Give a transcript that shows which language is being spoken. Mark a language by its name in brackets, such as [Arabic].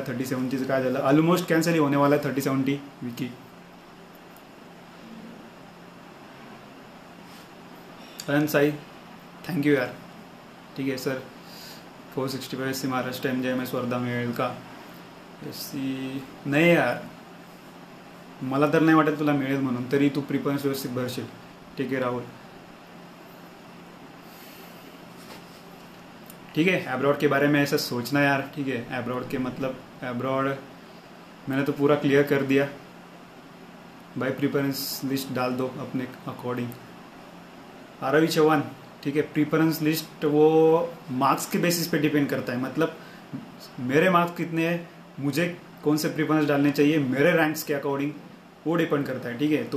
[Hindi] 3070 से कहा जाएगा, ऑलमोस्ट कैंसिल ही होने वाला है 3070 विकी. अरे साई थैंक यू यार, ठीक है sir. 465 SC Maharashtra MGMS Wardha mail का SC. नहीं यार, [Marathi] मला तर नाही वाटत तुला मिळेल म्हणून, तरी तू प्रिपरेंस व्यवस्थित भरशील, ठीक आहे राहुल, ठीक है. [Hindi] एब्रॉड के बारे में ऐसा सोचना यार, ठीक है. एब्रॉड के मतलब एब्रॉड मैंने तो पूरा क्लियर कर दिया भाई. प्रिफरेंस लिस्ट डाल दो अपने अकॉर्डिंग, आरवी चौहान, ठीक है. प्रिफरेंस लिस्ट वो मार्क्स के बेसिस पे डिपेंड करता है, मतलब मेरे मार्क्स कितने हैं, मुझे कौन से प्रिफरेंस डालने चाहिए मेरे रैंक्स के अकॉर्डिंग, वो डिपेंड करता है, ठीक है.